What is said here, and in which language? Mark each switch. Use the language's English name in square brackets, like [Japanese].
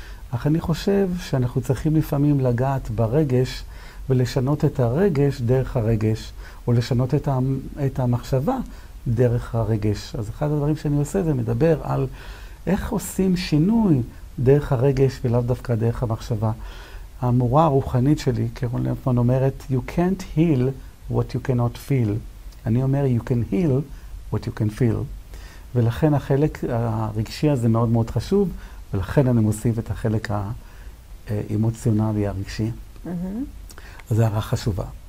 [Hebrew] אך אני חושב שאנחנו צריכים לפעמים לגעת ברגש ולשנות את הרגש דרך הרגש, או לשנות את המחשבה דרך הרגש. אז אחד הדברים שאני עושה זה מדבר על איך עושים שינוי דרך הרגש ולאו דווקא דרך המחשבה. המורה הרוחנית שלי, קרון לימפמן, אומרת [English] You can't heal what you cannot feel. [Hebrew] אני אומר [English] You can heal what you can feel. [Hebrew] ולכן החלק הרגשי הזה מאוד מאוד חשוב, ולכן אני מוסיף את החלק האמוציונלי הרגשי. זו הערה חשובה.